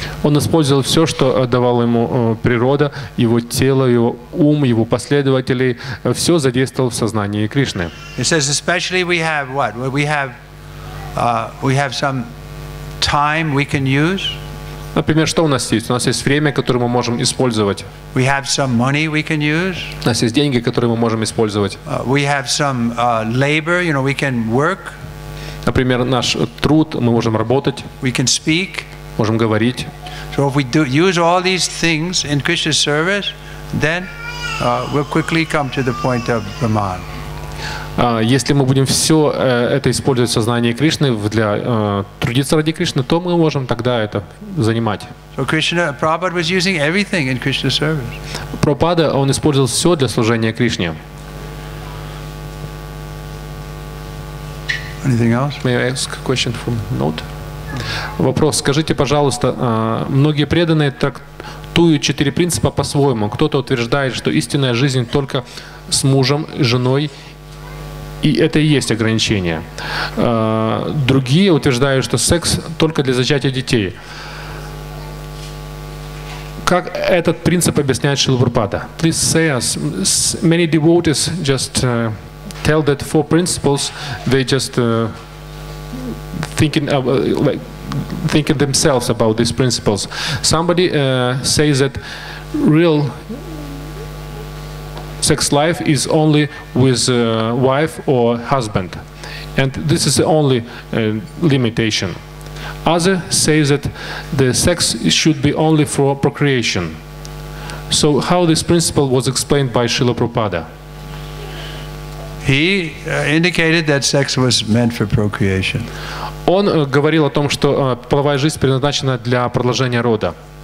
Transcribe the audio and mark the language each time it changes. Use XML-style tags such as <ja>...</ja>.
<ru>Он использовал все, что давала ему природа, его тело, его ум, его последователи, все задействовал в сознании Кришны.</ru> <en>It says especially we have what? We have some time we can use.</en> <ru>Например, что у нас есть? У нас есть время, которое мы можем использовать.</ru> <en>We have some money we can use.</en> <ru>У нас есть деньги, которые мы можем использовать.</ru> <en>We have some labor, you know, we can work.</en> <ru>Например, наш труд, мы можем работать.</ru> <en>We can speak.</en> <ru>Можем говорить.</ru> <en>So if we do use all these things in Krishna's service, then we'll quickly come to the point of Brahman.</en> <ru>Если мы будем все это использовать в сознании Кришны, для трудиться ради Кришны, то мы можем тогда это занимать.</ru> <en>So Krishna, Prabhupada was using everything in Krishna's service.</en> <ru>Прабхупада, он использовал все для служения Кришне.</ru> <en>Anything else? May I ask a question from note?</en> <ru>Вопрос. Скажите, пожалуйста, многие преданные трактуют четыре принципа по-своему. Кто-то утверждает, что истинная жизнь только с мужем, женой, и это и есть ограничение. Другие утверждают, что секс только для зачатия детей. Как этот принцип объясняет Шрила Прабхупада?</ru> <en>Please say us. Many devotees just tell that four principles. They just thinking of, like thinking themselves about these principles. Somebody says that real sex life is only with wife or husband, and this is the only limitation. Other says that the sex should be only for procreation. So how this principle was explained by Srila Prabhupada? He indicated that sex was meant for procreation.</en> <ru>Он говорил о том, что половая жизнь предназначена для продолжения рода.</ru>